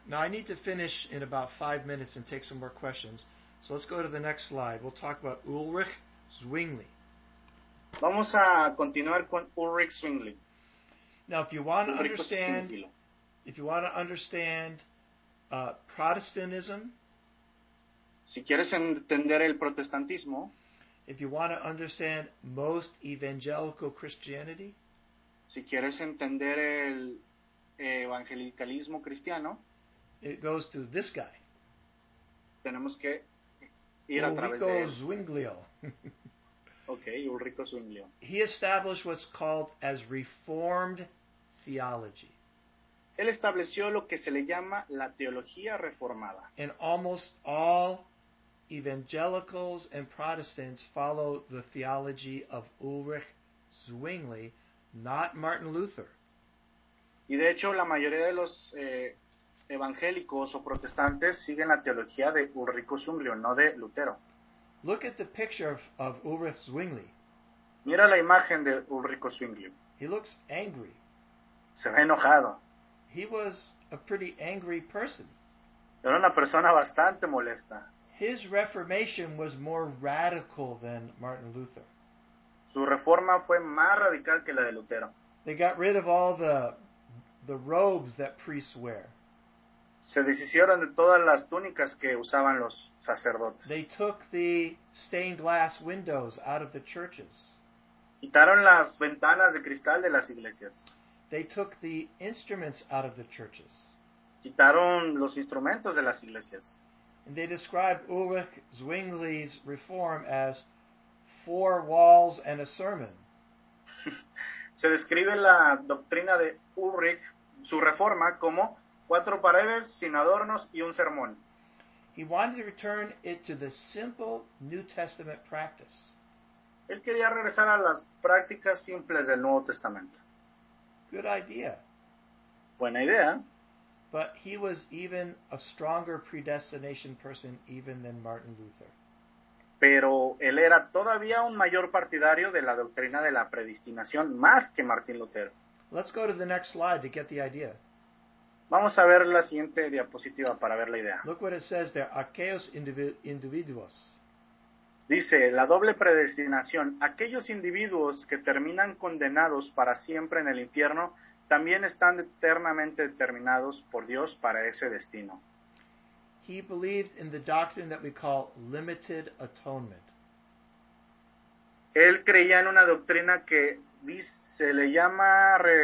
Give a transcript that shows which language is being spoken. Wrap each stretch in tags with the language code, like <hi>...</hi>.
<en>Now, I need to finish in about 5 minutes and take some more questions. So let's go to the next slide. We'll talk about Ulrich Zwingli.</en> <es>Vamos a continuar con Ulrich Zwingli.</es> <en>Now, if you want to understand Protestantism,</en> <es>si quieres entender el protestantismo,</es> <en>if you want to understand most evangelical Christianity,</en> <es>si quieres entender el evangelicalismo cristiano,</es> <en>it goes to this guy.</en> <es>Tenemos que ir a través de Ulrico Zwinglio. Okay, Ulrico Zwinglio.</es> <en>He established what's called as Reformed theology.</en> <es>Él estableció lo que se le llama la teología reformada.</es> <en>And almost all evangelicals and Protestants follow the theology of Ulrich Zwingli, not Martin Luther.</en> <es>Y de hecho, la mayoría de los evangélicos o protestantes siguen la teología de Ulrico Zwingli, no de Lutero.</es> <en>Look at the picture of Ulrich Zwingli.</en> <es>Mira la imagen de Ulrico Zwingli.</es> <en>He looks angry.</en> <es>Se ve enojado.</es> <en>He was a pretty angry person.</en> <es>Era una persona bastante molesta.</es> <en>His reformation was more radical than Martin Luther.</en> <es>Su reforma fue más radical que la de Lutero.</es> <en>They got rid of all the robes that priests wear.</en> <es>Se deshicieron de todas las túnicas que usaban los sacerdotes.</es> <en>They took the stained glass windows out of the churches.</en> <es>Quitaron las ventanas de cristal de las iglesias.</es> <en>They took the instruments out of the churches.</en> <es>Quitaron los instrumentos de las iglesias.</es> <en>And they describe Ulrich Zwingli's reform as 4 walls and a sermon.</en> <es>Se describe la doctrina de Ulrich, su reforma, como 4 paredes sin adornos y un sermón.</es> <en>He wanted to return it to the simple New Testament practice.</en> <es>Él quería regresar a las prácticas simples del Nuevo Testamento.</es> <en>Good idea.</en> <es>Buena idea.</es> <en>But he was even a stronger predestination person even than Martin Luther.</en> <es>Pero él era todavía un mayor partidario de la doctrina de la predestinación más que Martin Luther.</es> <en>Let's go to the next slide to get the idea.</en> <es>Vamos a ver la siguiente diapositiva para ver la idea.</es> <en>Look what it says there,</en> <es>aquellos individuos. Dice, la doble predestinación, aquellos individuos que terminan condenados para siempre en el infierno, también están eternamente determinados por Dios para ese destino.</es> <en>He believed in the doctrine that we call limited atonement.</en> <es>Él creía en una doctrina que se le llama</es>